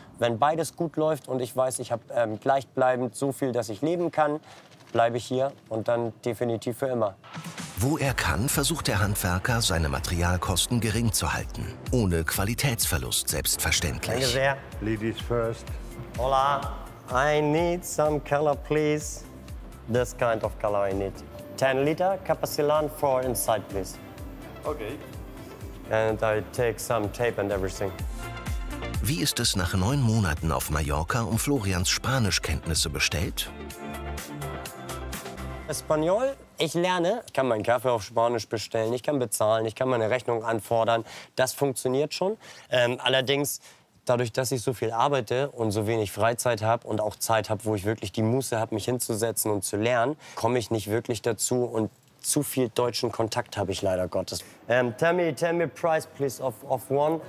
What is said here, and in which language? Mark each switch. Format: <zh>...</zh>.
<de>Wenn beides gut läuft und ich weiß, ich habe gleichbleibend so viel, dass ich leben kann, bleibe ich hier und dann definitiv für immer. Wo er kann, versucht der Handwerker, seine Materialkosten gering zu halten. Ohne Qualitätsverlust, selbstverständlich. Danke sehr.</de> <en>Ladies first. Hola, I need some color, please. This kind of color I need. 10 liter capacillan for inside, please. Okay. And I take some tape and everything.</en> <de>Wie ist es nach 9 Monaten auf Mallorca um Florians Spanischkenntnisse bestellt? Espanol, ich lerne. Ich kann meinen Kaffee auf Spanisch bestellen, ich kann bezahlen, ich kann meine Rechnung anfordern. Das funktioniert schon. Allerdings dadurch, dass ich so viel arbeite und so wenig Freizeit habe und auch Zeit habe, wo ich wirklich die Muße habe, mich hinzusetzen und zu lernen, komme ich nicht wirklich dazu und zu viel deutschen Kontakt habe ich leider Gottes.</de> <en>Tell me price, please, of one.</en>